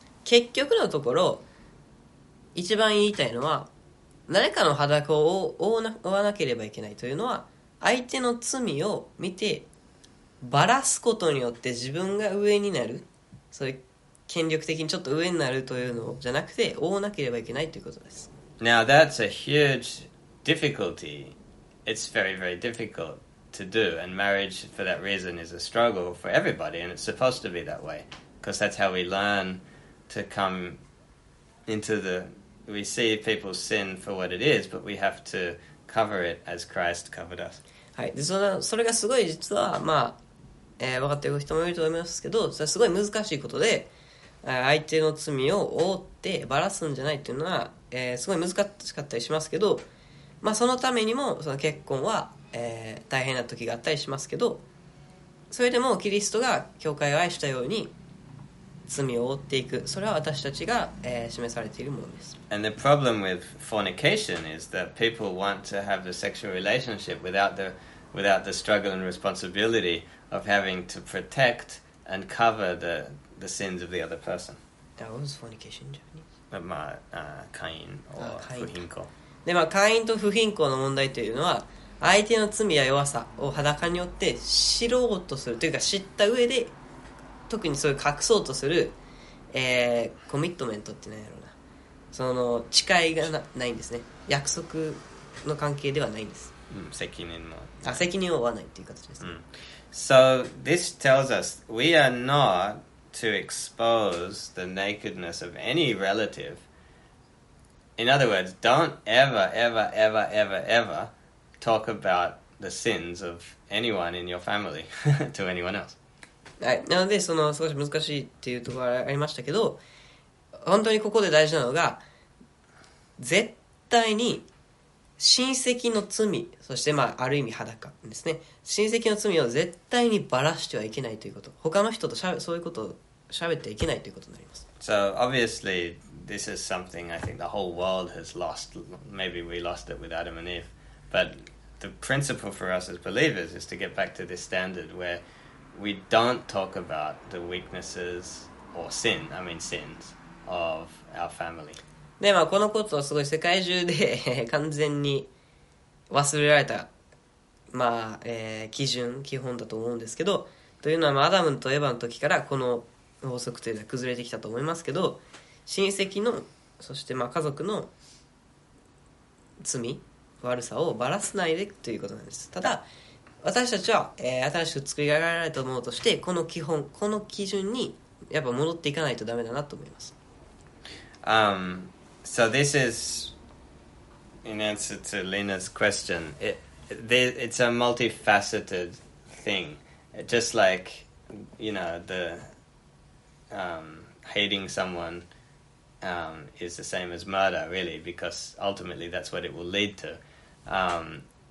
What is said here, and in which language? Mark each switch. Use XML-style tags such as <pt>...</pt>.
<ja>結局のところ、一番言いたいのは、誰かの裸を覆わなければいけないというのは、相手の罪を見て、バラすことによって自分が上になる、そういう権力的にちょっと上になるというのじゃなくて、覆わなければいけないということです。</ja> <en>Now that's a huge difficulty. It's very, very difficult. To do, and marriage for that reason is a struggle for everybody, and it's supposed to be that way because that's how we learn to come into the we see people's sin for what it is, but we have to cover it as Christ covered us.</en> <ja>はい、でそれがすごい実は、まあ分かっている人もいると思いますけど、それはすごい難しいことで、相手の罪を覆ってばらすんじゃないというのは、すごい難しかったりしますけど、まあ、そのためにもその結婚は、大変な時があったりしますけど、それでもキリストが教会を愛したように罪を覆っていく、それは私たちが、示されているものです。</ja> <en>And the problem with fornication is that people want to have the sexual relationship without the struggle and responsibility of having to protect and cover the sins of the other person. That was fornication in Japanese.</en> <ja>まあ、姦淫 or 不貧行。で、まあ、姦淫と不貧行の問題というのは、相手の罪や弱さを裸によって知ろうとするというか知った上で、特にそういう隠そうとする、コミットメントって何やろうな。その、誓いがないんですね。約束の関係ではないんです。責任も。あ、責任を負わないという形です。うん。</ja> <en>So this tells us we are not to expose the nakedness of any relative. In other words, don't ever, ever, ever, ever, ever talk about the sins of anyone in your family to anyone else.</en> <ja>はい、なのでその少し難しいっていうところがありましたけど、本当にここで大事なのが、絶対に親戚の罪、そしてまあある意味裸ですね、親戚の罪を絶対にばらしてはいけないということ、他の人としゃべそういうことをしゃべってはいけないということになります。</ja> <en>So obviously this is something I think the whole world has lost. Maybe we lost it with Adam and Eve, but the principle for us as believers is to get back to this standard where we don't talk about the weaknesses or sin, I mean sins of our family.</en> <ja>で、まあ、このことはすごい世界中で完全に忘れられた、まあ基準、基本だと思うんですけど、というのは、まあ、アダムとエヴァの時からこの法則というのは崩れてきたと思いますけど、親戚の、そしてまあ家族の罪、悪さをばらさないでということなんです。ただ、私たちは、新しく作り上げられたものとして、この基本、この基準にやっぱ戻っていかないとダメだなと思います。</ja> <en>So this is in answer to Lena's question. It's a multifaceted thing. Just like, you know, the hating someone is the same as murder, really, because ultimately that's what it will lead to.</en>